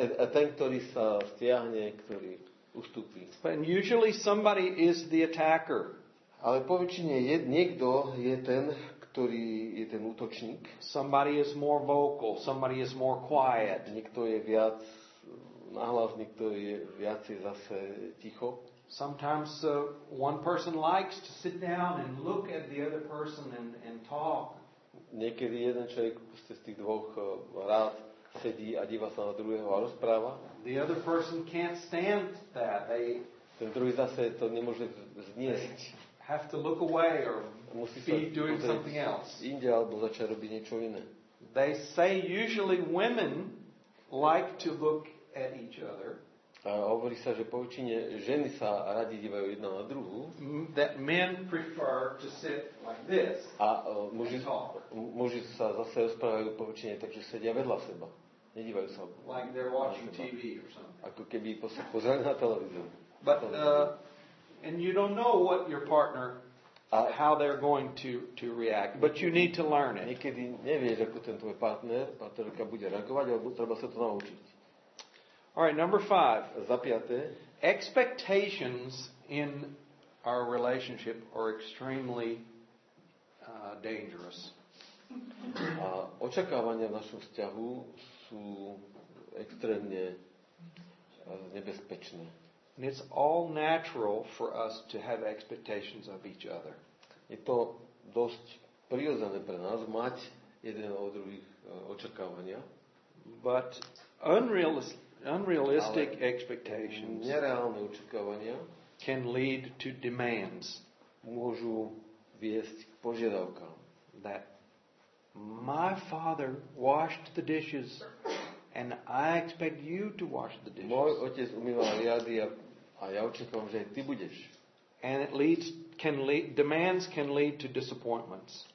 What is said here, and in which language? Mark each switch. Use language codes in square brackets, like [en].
[sk] A ten, ktorý sa stiahne, ktorý ustupí. [en] And usually somebody is the attacker. [sk] Ale po väčšine niekto je ten, ktorý je ten útočník. [en] Somebody is more vocal, somebody is more quiet. [sk] Niekto je viac nahlas, niekto je viac zase ticho. [en] Sometimes one person likes to sit down and look at the other person and talk. [sk] Niekedy jeden človek z tých dvoch rád sedí a díva sa na druhého a rozpráva. [en] The other person can't stand that. [sk] Ten druhý zase to nemôže zniesť. [en] Have to look away or be doing something else. [sk] Inde, alebo začať robiť niečo iné. [en] They say usually women like to look at each other. [sk] A hovorí sa, že po väčšine ženy sa radi dívajú jedna na druhú. [en] That men prefer to sit like this. [sk] A muži sa zase rozprávajú po väčšine, takže sedia vedľa seba. Nedívajú sa. [en] Like they're watching TV or something. [sk] Ako keby pozerali na televíziu. [en] But and you don't know what your partner how they're going to react, but you need to learn it. [sk] Niekedy nevieš, ako ten tvoj partnerka bude reagovať, alebo treba sa to naučiť. [en] All right, number five. [sk] Za piaté. [en] Expectations in our relationship are extremely dangerous. [sk] A očakávania v našom vzťahu sú extrémne nebezpečné. [en] And it's all natural for us to have expectations of each other. [sk] Je to dosť prirodzené pre nás mať jeden od druhých očakávania. [en] But unrealistic expectations, [sk] nereálne očakávania, [en] can lead to demands, [sk] môžu viesť k požiadavkám. [en] That my father washed the dishes and I expect you to wash the dishes. [sk] Môj otec umýval riady a ja očakávam, že aj ty budeš. [en] And it leads demands can lead to disappointments.